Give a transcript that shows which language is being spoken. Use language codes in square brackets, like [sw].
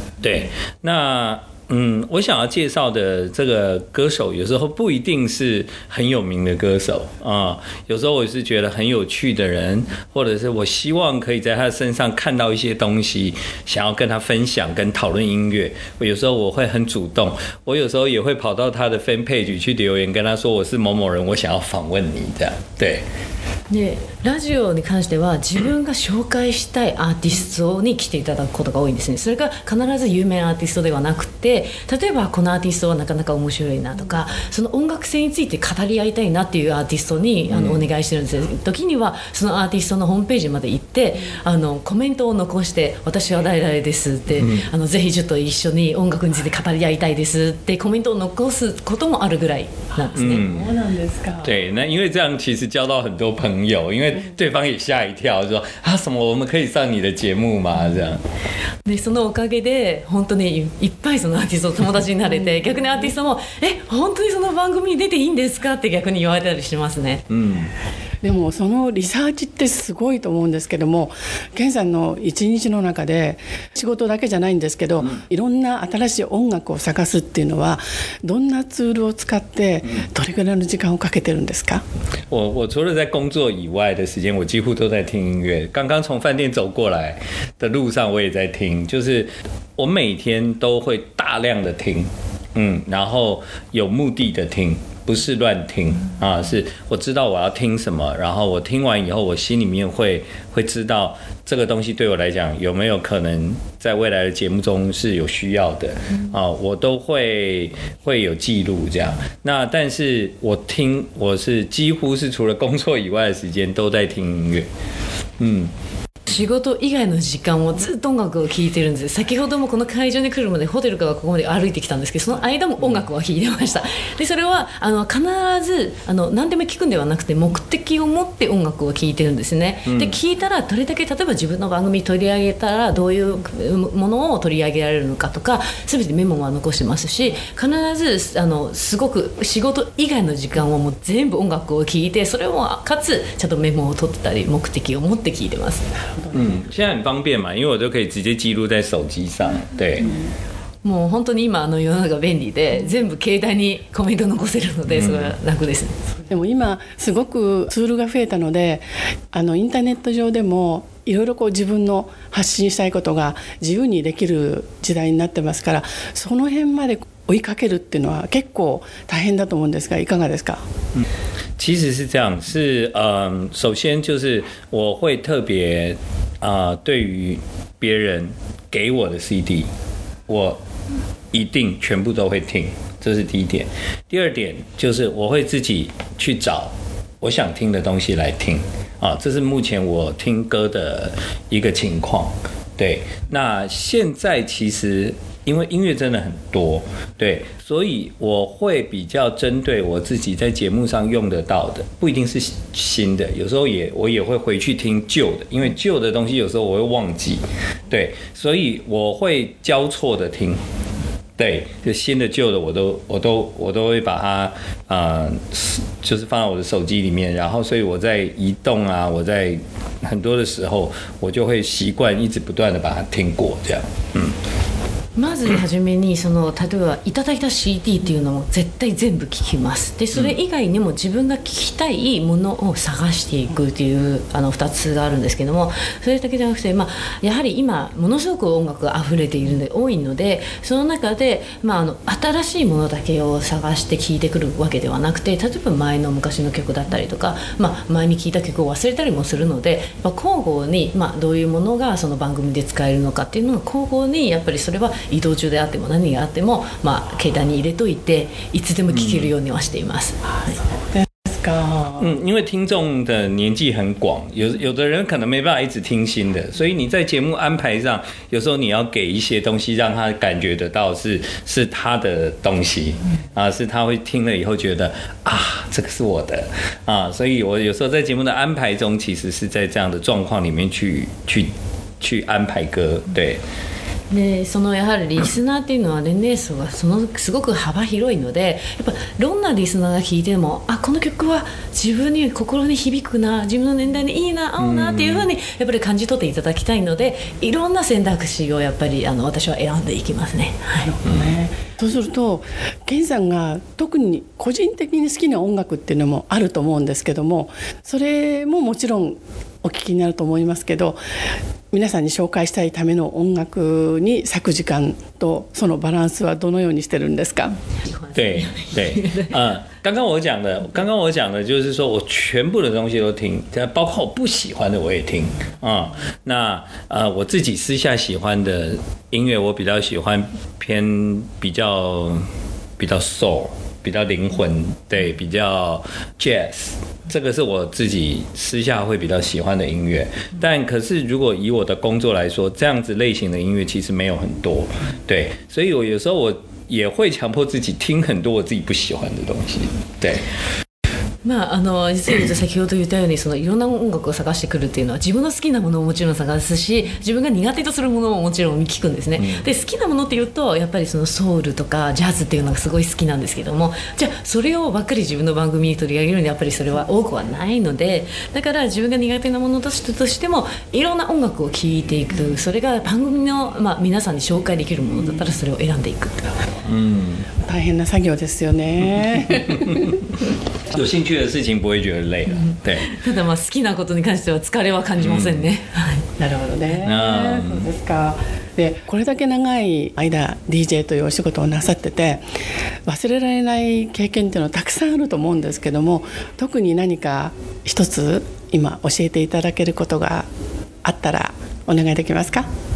[zh] 对，那我想要介绍的这个歌手，有时候不一定是很有名的歌手啊，有时候我是觉得很有趣的人，或者是我希望可以在他身上看到一些东西，想要跟他分享跟讨论音乐。我有时候我会很主动，我有时候也会跑到他的 fan page 去留言，跟他说我是某某人，我想要访问你这样。对。 [ja] でラジオに関しては自分が紹介したいアーティストに来ていただくことが多いんですね。それが必ず有名アーティストではなくて、例えばこのアーティストはなかなか面白いなとか、その音楽性について語り合いたいなっていうアーティストにお願いしてるんですよ。時にはそのアーティストのホームページまで行ってコメントを残して、私は誰々ですってぜひちょっと一緒に音楽について語り合いたいですってコメントを残すこともあるぐらいなんですね。そうなんですか。 [zh] 对，那因为这样其实交到很多朋友，因为对方也吓一跳，说啊什么我们可以上你的节目吗？这样。 [ja] でそのおかげで本当にいっぱいそのアーティスト友達になれて、逆にアーティストも本当にその番組に出ていいんですかって逆に言われたりしますね。でもそのリサーチってすごいと思うんですけども、健さんの一日の中で仕事だけじゃないんですけど、いろんな新しい音楽を探すっていうのはどんなツールを使ってどれぐらいの時間をかけてるんですか？ [zh] 我除了在工作以外的时间我几乎都在听音乐，刚刚从饭店走过来的路上我也在听，就是我每天都会大量的听然后有目的的听，不是乱听啊，是我知道我要听什么，然后我听完以后我心里面会知道这个东西对我来讲有没有可能在未来的节目中是有需要的啊，我都会有记录这样。那但是我听，我是几乎是除了工作以外的时间都在听音乐。 [ja] 仕事以外の時間もずっと音楽を聴いてるんです。先ほどもこの会場に来るまでホテルからここまで歩いてきたんですけど、その間も音楽を聴いてました。でそれは必ず何でも聴くんではなくて、目的を持って音楽を聴いてるんですね。で聴いたらどれだけ、例えば自分の番組取り上げたらどういうものを取り上げられるのかとか、全てメモも残してますし、必ずすごく仕事以外の時間をもう全部音楽を聴いて、それもかつちゃんとメモを取ってたり目的を持って聴いてます。 [zh] 现在很方便嘛，因为我都可以直接记录在手机上。对， [ja] もう本当に今世の中便利で、全部携帯にコメント残せるのでそれは楽です。でも今すごくツールが増えたので、インターネット上でもいろいろこう自分の発信したいことが自由にできる時代になってますから、その辺まで追いかけるっていうのは結構大変だと思うんですが、いかがですか？ [zh] 其实是这样，是首先就是我会特别对于别人给我的 CD， 我一定全部都会听，这是第一点。第二点就是我会自己去找我想听的东西来听这是目前我听歌的一个情况。对，那现在其实因为音乐真的很多，对，所以我会比较针对我自己在节目上用得到的，不一定是新的，有时候我也会回去听旧的，因为旧的东西有时候我会忘记，对，所以我会交错的听，对，就新的旧的我都会把它就是放在我的手机里面，然后所以我在移动啊，我在很多的时候，我就会习惯一直不断的把它听过这样。 [ja] まず初めに例えばいただいた CD っていうのも絶対全部聞きます。でそれ以外にも自分が聞きたいものを探していくっていう2つがあるんですけども、それだけじゃなくて、やはり今ものすごく音楽があふれているので多いので、その中で新しいものだけを探して聞いてくるわけではなくて、例えば前の昔の曲だったりとか、前に聞いた曲を忘れたりもするので、交互に、どういうものがその番組で使えるのかっていうのを交互に、やっぱりそれは移動中であっても何があっても、携帯に入れといていつでも聞けるようにはしています。か、 [zh] 嗯、因为听众的年纪很广， 有的人可能没办法一直听新的，所以你在节目安排上有时候你要给一些东西让他感觉得到 是他的东西、啊、是他会听了以后觉得啊这个是我的、啊、所以我有时候在节目的安排中其实是在这样的状况里面 去安排歌。对， [ja] でそのやはりリスナーっていうのは年齢層がそのすごく幅広いので、やっぱどんなリスナーが聴いてもあこの曲は自分に心に響くな、自分の年代にいいな合うなっていうふうにやっぱり感じ取っていただきたいので、いろんな選択肢をやっぱりあの私は選んでいきますね、はい、そうするとケンさんが特に個人的に好きな音楽っていうのもあると思うんですけども、それももちろんお聞きになると思いますけど、皆さんに紹介したいための音楽に割く時間とそのバランスはどのようにしてるんですか？ [zh] 对对，刚刚我讲的，刚刚我讲的就是说我全部的东西都听，包括我不喜欢的我也听啊、嗯。那我自己私下喜欢的音乐，我比较喜欢偏比较 soul。比较灵魂，对，比较 jazz， 这个是我自己私下会比较喜欢的音乐。但可是如果以我的工作来说，这样子类型的音乐其实没有很多，对，所以我有时候我也会强迫自己听很多我自己不喜欢的东西，对。 [ja] まあ、あの実は先ほど言ったようにそのいろんな音楽を探してくるっていうのは自分の好きなものをもちろん探すし、自分が苦手とするものももちろん聞くんですね、うん、で好きなものっていうとやっぱりそのソウルとかジャズっていうのがすごい好きなんですけども、じゃあそれをばっかり自分の番組に取り上げるのにやっぱりそれは多くはないので、だから自分が苦手なものとしてもいろんな音楽を聴いていく、それが番組の、まあ、皆さんに紹介できるものだったらそれを選んでいく、うん、大変な作業ですよね。 [zh] 有兴趣的事情不会觉得累了、嗯、对， [ja] ただまあ好きなことに関しては疲れは感じませんね、嗯、なるほどね、嗯、そうですか。でこれだけ長い間 DJ というお仕事をなさってて、忘れられない経験っていうのはたくさんあると思うんですけども、特に何か一つ今教えていただけることがあったらお願いできますか？